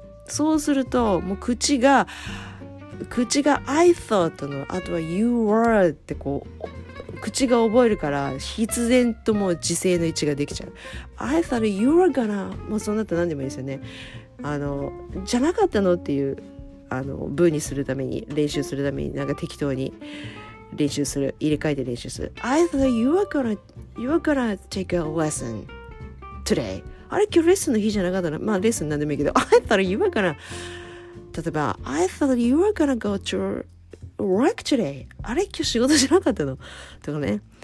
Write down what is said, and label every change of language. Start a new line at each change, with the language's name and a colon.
Japanese: そうするともう口が
English: I thought
Japanese: のあとは
English: you were
Japanese: ってこう口が覚えるから必然とも時制の位置ができちゃう。
English: I thought you were gonna
Japanese: もうそうなったら何でもいいですよね。あのじゃなかったのっていうあの文にするために練習するためになんか適当に練習する入れ替えて練習する。
English: I thought you were gonna take a lesson today。
Japanese: あれ今日レッスンの日じゃなかったな。まあレッスンなんでもいいけど
English: I thought you were gonna
Japanese: 例えば
English: I thought you were gonna go to work today。
Japanese: あれ今日仕事じゃなかったのとかね。